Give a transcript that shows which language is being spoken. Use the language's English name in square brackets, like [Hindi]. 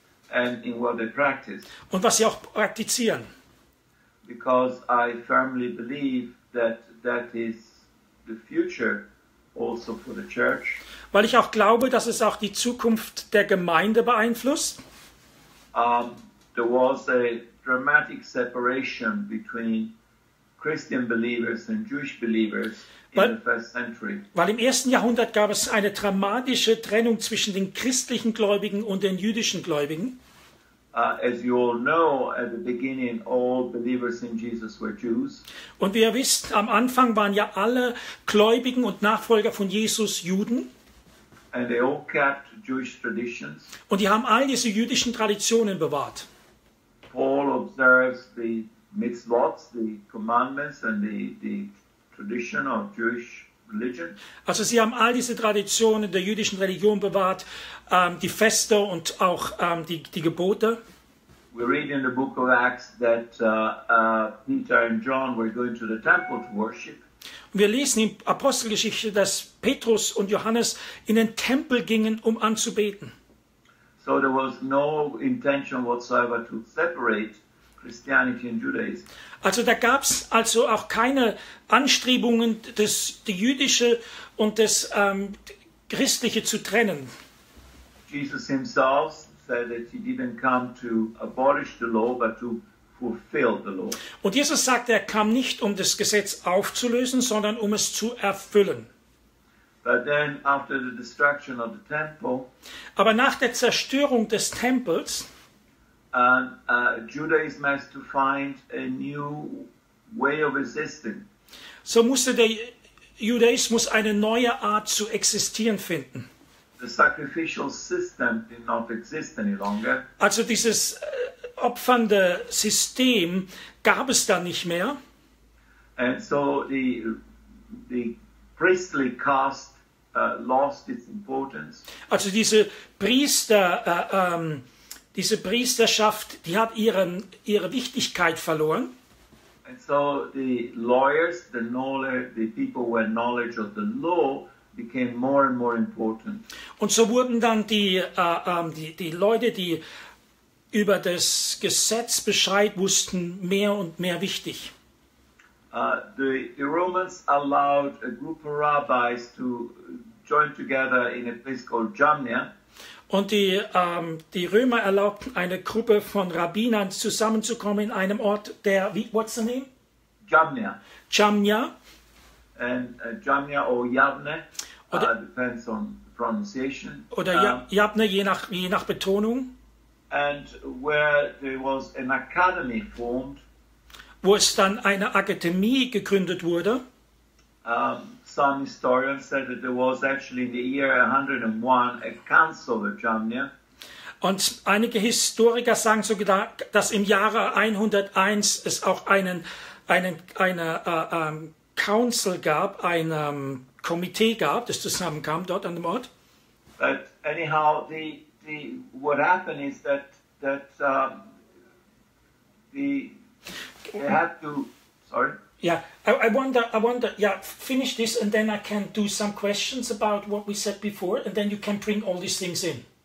[English] And in what they practice. [German] Und was sie auch praktizieren. [English] Because I firmly believe that is the future. Also for the church. [German] Weil ich auch glaube, dass es auch die Zukunft der Gemeinde beeinflusst. [English] There was a dramatic separation between Christian believers and Jewish believers. [German] Weil im ersten Jahrhundert gab es eine dramatische Trennung zwischen den christlichen Gläubigen und den jüdischen Gläubigen. [English] As you all know, at the beginning, all believers in Jesus were Jews. [German] Und wie ihr wisst, am Anfang waren ja alle Gläubigen und Nachfolger von Jesus Juden. [English] And they all kept Jewish traditions. [German] Und die haben all diese jüdischen Traditionen bewahrt. [English] Paul observes the mitzvots, the commandments and the tradition of Jewish religion. [German] Also sie haben all diese Traditionen der jüdischen Religion bewahrt, die Feste und auch die Gebote. [English] We read in the book of Acts that Peter and John were going to the temple to worship. [German] Wir lesen in Apostelgeschichte, dass Petrus und Johannes in den Tempel gingen, um anzubeten. [English] So there was no intention whatsoever to separate Christianity and Judaism. [German] Also da gab es also auch keine Anstrebungen, die jüdische und das christliche zu trennen. [English] Jesus himself said that he didn't come to abolish the law, but to fulfill the law. [German] Und Jesus sagte, er kam nicht, um das Gesetz aufzulösen, sondern um es zu erfüllen. [English] But then after the destruction of the temple, [German] aber nach der Zerstörung des Tempels, [English] Judaism has to find a new way of existing. [German] So musste der Judaismus eine neue Art zu existieren finden. [English] The sacrificial system did not exist any longer. [German] Also dieses opfernde System gab es dann nicht mehr. [English] And so the priestly caste lost its importance. [German] Also diese Priester diese Priesterschaft, die hat ihre Wichtigkeit verloren. [English] And so the lawyers, the knowledge, the people with knowledge of the law became more and more important. [German] Und so wurden dann die Leute, die über das Gesetz Bescheid wussten, mehr und mehr wichtig. [English] The Romans allowed a group of rabbis to join together in a place called Jamnia. [German] Und die Römer erlaubten eine Gruppe von Rabbinern zusammenzukommen in einem Ort, der, [English] what's the name? Jamnia. [German] Jamnia. [English] And Jamnia or Yavne, [German] oder, [English] depends on pronunciation. [German] Oder Yavne, je nach Betonung. [English] And where there was an academy formed. [German] Wo es dann eine Akademie gegründet wurde. [English] Some historians said that there was actually in the year 101 a council of Jamnia. [German] Und einige Historiker sagen sogar, dass im Jahre 101 es auch Council gab, ein Komitee gab, das zusammenkam dort an dem Ort. [English] But anyhow, the what happened is that they had to, sorry. Yeah, I wonder, yeah, finish this and then I can do some questions about what we said before and then you can bring all these things in.